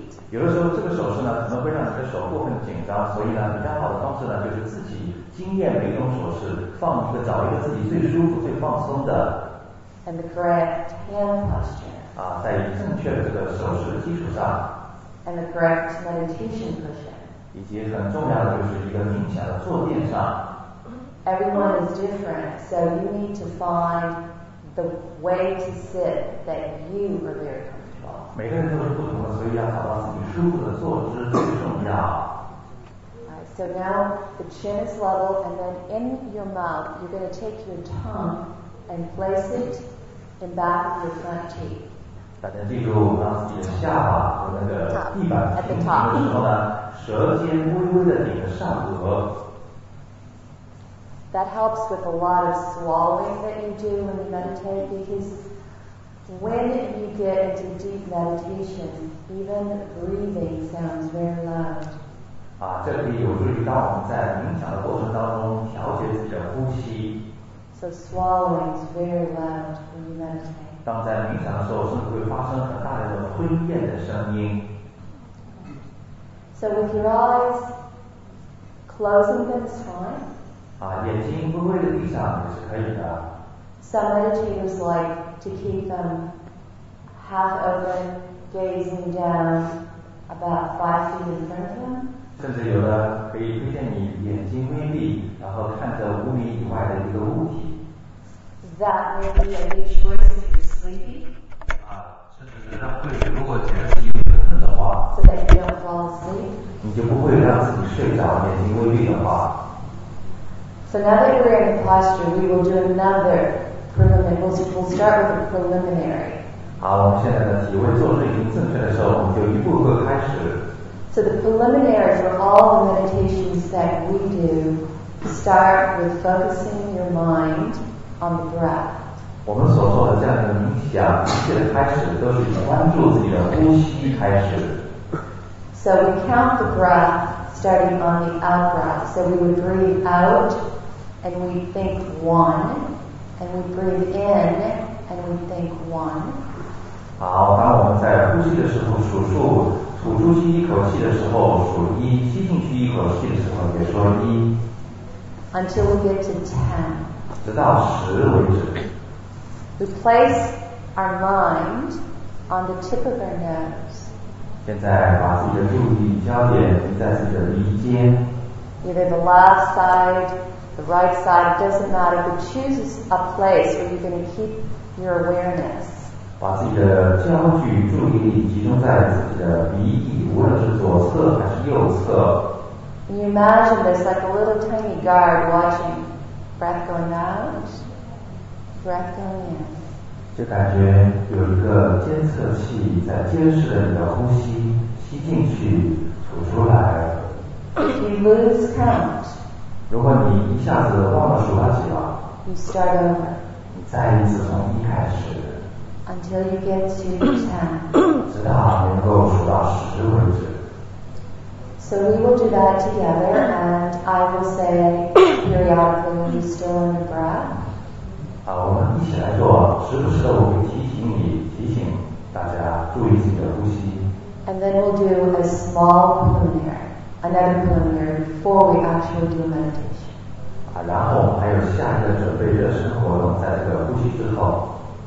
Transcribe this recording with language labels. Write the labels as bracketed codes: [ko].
[zh] 有的时候这个手势呢可能会让你的手过分紧张，所以呢比较好的方式呢就是自己经验每一种手势，放一个找一个自己最舒服最放松的。 [en] And the correct hand posture. [zh] 啊，在正确的这个手势基础上。 [en] And the correct meditation cushion. [zh] 以及很重要的就是一个冥想的坐垫上。 [en] Everyone is different, so you need to find the way to sit that you are very comfortable. [zh] 每个人都是不同的，所以要找到自己舒服的坐姿最重要。 [en] Right, so now the chin is level, and then in your mouth, you're going to take your tongue and place it in back of your front teeth. [zh] 大家记住，让自己的下巴和那个地板平行的时候呢，舌尖微微的顶着上颚。 [en] That helps with a lot of swallowing that you do when you meditate because. When you get into deep meditation, even breathing sounds very loud. [zh] 啊，这可以有助于当我们在冥想的过程当中调节自己的呼吸。 [en] So swallowing is very loud when you meditate. [zh] 当在冥想的时候，甚至会发生很大的吞咽的声音。 [en] So with your eyes closing, that's fine. [zh] 啊，眼睛微微的闭上也是可以的。 [en] Some meditators like to keep them half open, gazing down about 5 feet in front of them. [zh] 甚至有的可以推荐你眼睛微闭，然后看着五米以外的一个物体。 [en] That may be a good choice if you're sleepy. [zh] 啊，甚至是那会，如果觉得自己有点困的话。 [en] So that you don't fall asleep. [zh] 你就不会让自己睡着，眼睛微闭的话。 [en] So now that we're in the posture, we will do another preliminary. We'll start with the preliminary. [zh] 好，我们现在的体位坐姿已经正确的时候，我们就一步一步开始。 [en] So the preliminary for all the meditations that we do start with focusing your mind on the breath. [zh] 我们所说的这样的冥想，一切的开始都是专注自己的呼吸开始。 [en] So we count the breath starting on the out breath. So we would breathe out and we think one, and we breathe in and we think one. [zh] 好，当我们在呼吸的时候数数。吐出去一口气的时候数一，吸进去一口气的时候也说一。 [en] Until we get to 10. [zh] 直到十为止。 [en] We place our mind on the tip of our nose. [zh] 现在把自己的注意焦点移在自己的鼻尖。 [en] Either the left side, the right side, doesn't matter. But choose a place where you're going to keep your awareness. [zh] 把自己的焦距、注意力集中在自己的鼻翼，无论是左侧还是右侧。 [en] You imagine this like a little tiny guard watching breath going out, breath going in. [zh] 就感觉有一个监测器在监视着你的呼吸，吸进去，吐出来。 [en] If you lose count, [zh] 如果你一下子忘了数到几了 [en] ，You start over. [zh] 你再一次从一开始。 [en] Until you get to 10. [zh] 直到能够数到十为止。 [en] So we will do that together, and I will say periodically when you're still in the breath. [zh] 好，我们一起来做，时不时的我会提醒你，提醒大家注意自己的呼吸。 [en] And then we'll do a small preliminary, another preliminary before we actually do meditation. [zh] 啊，然后我们还有下一个准备热身活动，在这个呼吸之后。